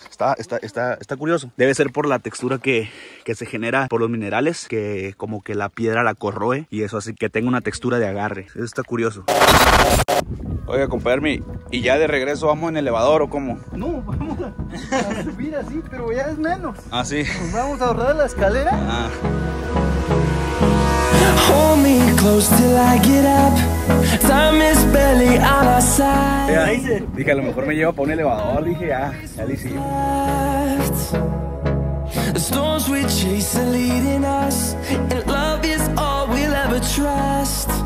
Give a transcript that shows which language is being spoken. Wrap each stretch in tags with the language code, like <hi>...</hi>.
<es>Está curioso. Debe ser por la textura que se genera por los minerales, que como que la piedra la corroe y eso hace que tenga una textura de agarre. Eso está curioso. Oiga, compadre, ¿y ya de regreso vamos en elevador o cómo? No, vamos a subir así, pero ya es menos. Ah, sí. Pues vamos a ahorrar la escalera.</es> <en>Ah. Hold me close till I get up. Time is barely on our side.</en> <es>Ya, dije, a lo mejor me llevo para un elevador. Dije, ya le hicimos.</es> <en>The storms we chase are leading us. And love is all we'll ever trust.</en>